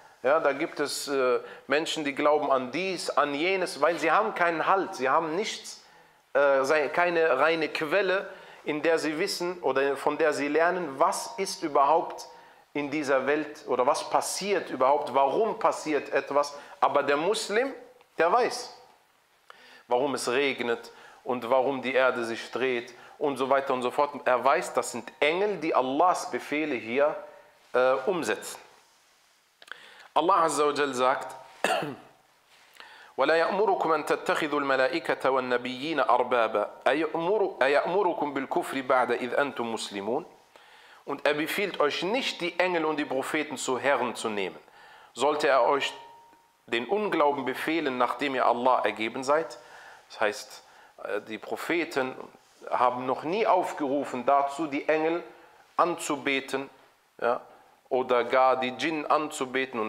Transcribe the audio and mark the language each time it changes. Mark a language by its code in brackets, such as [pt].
[de] Ja, da gibt es Menschen, die glauben an dies, an jenes, weil sie haben keinen Halt, sie haben nichts, keine reine Quelle, in der sie wissen oder von der sie lernen, was ist überhaupt in dieser Welt oder was passiert überhaupt, warum passiert etwas. Aber der Muslim, der weiß, warum es regnet und warum die Erde sich dreht und so weiter und so fort. Er weiß, das sind Engel, die Allahs Befehle hier umsetzen. [ar] Allah Azza wa Jal sagt: وَلَا يَأْمُرُكُمْ أَن تَتَّخِذُوا الْمَلَائِكَةَ وَالنَّبِيِّينَ أَرْبَابًا أَيَأْمُرُكُمْ بِالْكُفْرِ بَعْدَ إِذْ أَنْتُمْ مُسْلِمُونَ. [de] Und er befiehlt euch nicht, die Engel und die Propheten zu Herren zu nehmen. Sollte er euch den Unglauben befehlen, nachdem ihr Allah ergeben seid, das heißt, die Propheten haben noch nie aufgerufen dazu, die Engel anzubeten, ja, oder gar die Dschinn anzubeten.